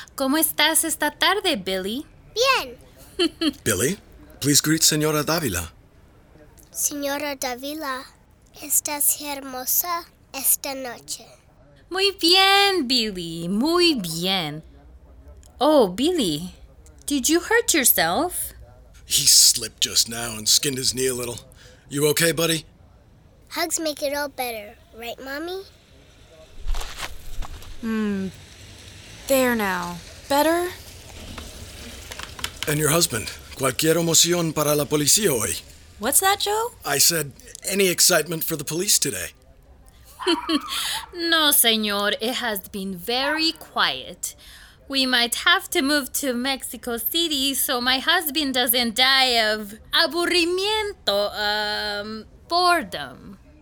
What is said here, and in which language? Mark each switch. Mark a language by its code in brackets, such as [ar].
[es] ¿Cómo estás esta tarde, Billy? Bien. [en] Billy, please greet Señora Davila. [es] Señora Davila, estás hermosa esta noche. Muy bien, Billy. Muy bien. [en] Oh, Billy, did you hurt yourself? He slipped just now and skinned his knee a little. You okay, buddy? Hugs make it all better, right, Mommy? There now. Better? And your husband. [es] Cualquier emoción para la policía hoy. [en] What's that, Joe? I said, any excitement for the police today. [es] No, señor. [en] It has been very quiet. We might have to move to Mexico City so my husband doesn't die of aburrimiento, boredom.